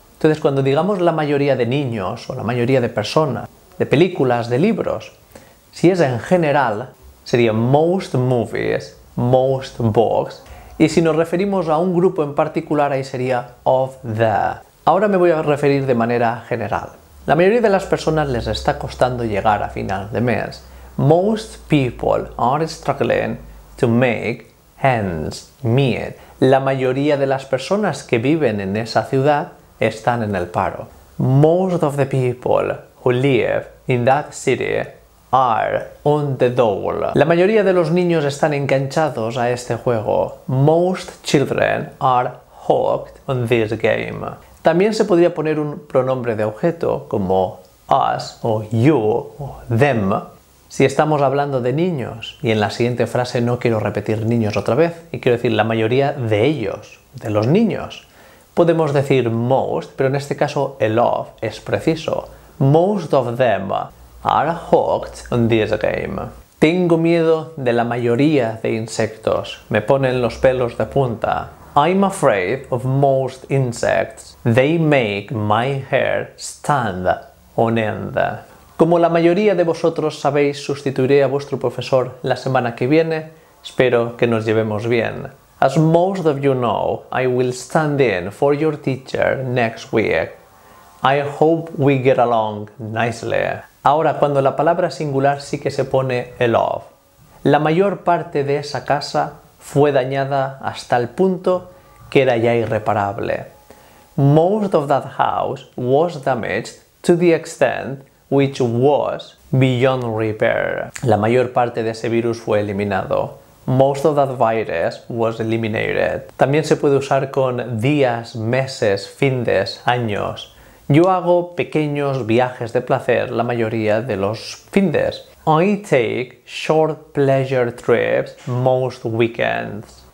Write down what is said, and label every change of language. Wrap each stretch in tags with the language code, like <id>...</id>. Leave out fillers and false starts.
<es>Entonces, cuando digamos la mayoría de niños o la mayoría de personas, de películas, de libros, si es en general, sería most movies, most books. Y si nos referimos a un grupo en particular, ahí sería of the. Ahora me voy a referir de manera general. La mayoría de las personas les está costando llegar a final de mes.</es> <en>Most people are struggling to make ends meet.</en> <es>La mayoría de las personas que viven en esa ciudad están en el paro.</es> <en>Most of the people who live in that city are on the dole.</en> <es>La mayoría de los niños están enganchados a este juego.</es> <en>Most children are hooked on this game.</en> <es>También se podría poner un pronombre de objeto como us o you o them. Si estamos hablando de niños y en la siguiente frase no quiero repetir niños otra vez y quiero decir la mayoría de ellos, de los niños, podemos decir most, pero en este caso el of es preciso.</es> <en>Most of them are hooked on this game.</en> <es>Tengo miedo de la mayoría de insectos. Me ponen los pelos de punta.</es> <en>I'm afraid of most insects. They make my hair stand on end.</en> <es>Como la mayoría de vosotros sabéis, sustituiré a vuestro profesor la semana que viene. Espero que nos llevemos bien.</es> <en>As most of you know, I will stand in for your teacher next week. I hope we get along nicely.</en> <es>Ahora, cuando la palabra singular sí que se pone el of. La mayor parte de esa casa fue dañada hasta el punto que era ya irreparable.</es> <en>Most of that house was damaged to the extent which was beyond repair.</en> <es>La mayor parte de ese virus fue eliminado.</es> <en>Most of that virus was eliminated.</en> <es>También se puede usar con días, meses, findes, años. Yo hago pequeños viajes de placer la mayoría de los findes.</es> <en>I take short pleasure trips most weekends.</en>